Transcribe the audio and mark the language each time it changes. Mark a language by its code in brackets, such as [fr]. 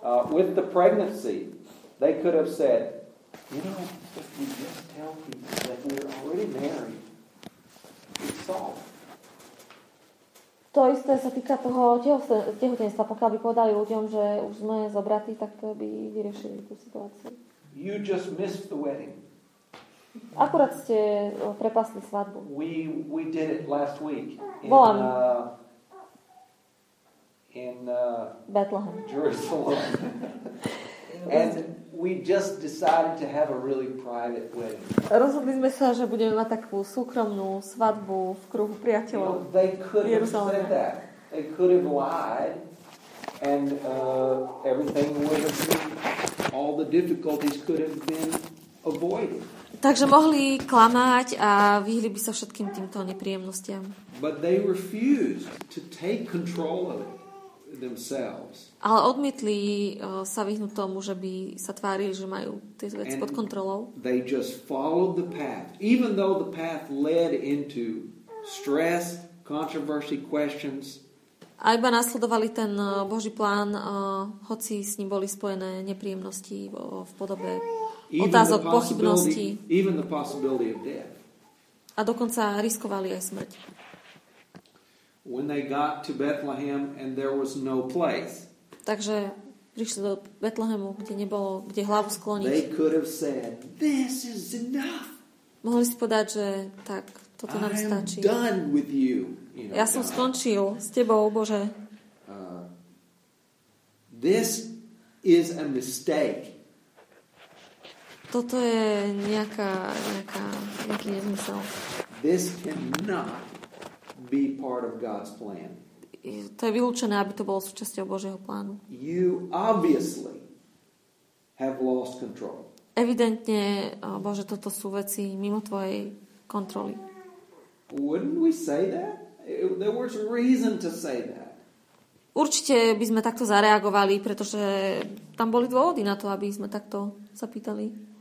[en] With the pregnancy, they could have said, you know, if we just tell people that we're already married, it's solved. [sk] To isté sa týka toho tehotenstva. Pokiaľ by povedali ľuďom, že už sme zobratí, tak to by vyriešili tú situáciu. [en] You just missed the wedding. [sk] Akurát ste prepasli svadbu. [en] We did it last week. [sk] Volám. [en] In Bethlehem. Jerusalem. And we just decided to have a really private wedding. [sk] Rozhodli sme sa, že budeme mať takú súkromnú svadbu v kruhu priateľov. [en] You know, they could have said that. They could have lied. And everything would have been, all the difficulties could have been avoided. [sk] Takže mohli klamať a vyhli by sa všetkým týmto nepríjemnostiam. [en] But they refused to take control of it. Themselves. [sk] Ale odmietli sa vyhnúť tomu, že by sa tvárili, že majú tieto veci pod kontrolou. [en] They just followed the path, even though the path led into stress, controversy, questions. [sk] A iba nasledovali ten Boží plán, hoci s ním boli spojené nepríjemnosti v podobe otázok, pochybností. [en] Even the possibility of death. [sk] A dokonca riskovali aj smrť. [en] When they got to Bethlehem and there was no place. [sk] Takže prišli do Betlehemu, kde nebolo, kde hlavu skloniť. [en] They could have said, this is enough. [sk] Mohli si povedať, že tak, toto nám stačí. [en] I am done with you, you know, [sk] ja som [en] God. [sk] Skončil s tebou, Bože. [en] This is a mistake. [sk] Toto je nejaký nezmysel. [en] This cannot be part of God's plan. [sk] To je vylúčené, aby to bolo súčasťou Božieho plánu. [en] You obviously have lost control. [sk] Evidentne, Bože, toto sú veci mimo tvojej kontroly. [en] Wouldn't we say that? There was reason to say that. [sk] Určite by sme takto zareagovali, pretože tam boli dôvody na to, aby sme takto sa pýtali.